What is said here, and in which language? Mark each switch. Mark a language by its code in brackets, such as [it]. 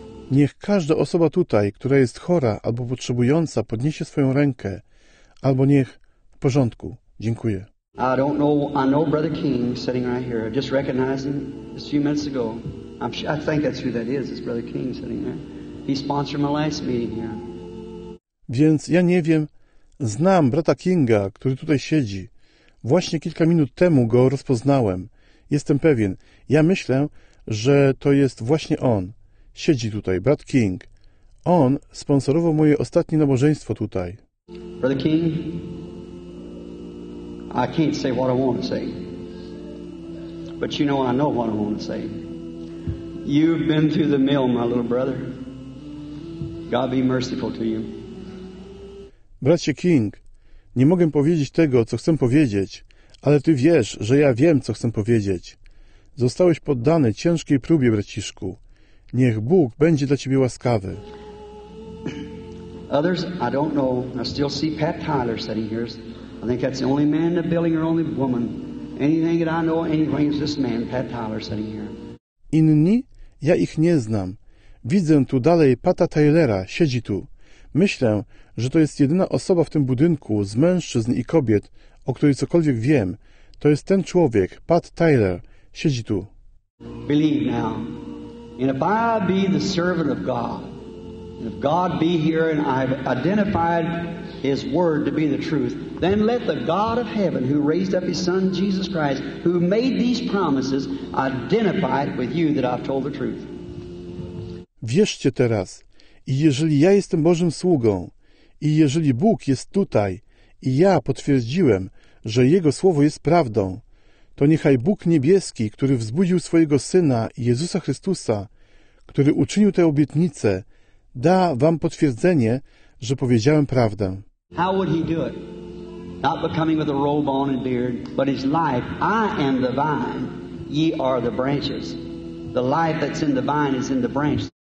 [pl] Niech każda osoba tutaj, która jest chora albo potrzebująca, podniesie swoją rękę, albo niech w porządku. Dziękuję. [en] I don't know. I know Brother King sitting right here. I just recognized him a few minutes ago. I think that's who that is. It's Brother King sitting there. He sponsored my last meeting here. [pl] Więc ja nie wiem, znam brata Kinga, który tutaj siedzi. Właśnie kilka minut temu go rozpoznałem. Jestem pewien. Ja myślę, że to jest właśnie on. Siedzi tutaj, brat King. On sponsorował moje ostatnie nabożeństwo tutaj. [en] Brother King, I can't say what I want to say. But you know, I know what I want to say. You've been through the mill, my little brother. God be merciful to you. [pl] Bracie King, nie mogę powiedzieć tego, co chcę powiedzieć, ale ty wiesz, że ja wiem, co chcę powiedzieć. Zostałeś poddany ciężkiej próbie, braciszku. Niech Bóg będzie dla ciebie łaskawy. [en] Others, I don't know. I still see Pat Tyler sitting here. I think that's the only man in the building or only woman. Anything that I know, anything is this man, Pat Tyler sitting here. [pl] Inni, ja ich nie znam. Widzę tu dalej Pata Tylera, siedzi tu. Myślę, że to jest jedyna osoba w tym budynku z mężczyzn i kobiet, o której cokolwiek wiem. To jest ten człowiek, Pat Tyler, siedzi tu. [en] Believe now. And if I be the servant of God, and if God be here and I've identified His word to be the truth, then let the God of heaven who raised up His Son Jesus Christ, who made these promises, identify it with you that I've told the truth. [pl] Wierzcie teraz, i jeżeli ja jestem Bożym sługą, i jeżeli Bóg jest tutaj, i ja potwierdziłem, że Jego Słowo jest prawdą, to niechaj Bóg niebieski, który wzbudził swojego Syna, Jezusa Chrystusa, który uczynił tę obietnicę, da wam potwierdzenie, że powiedziałem prawdę. [en] How would he do it? Not becoming with a robe on and beard, but his life. I am the vine, ye are the branches. The life that's in the vine is in the branch.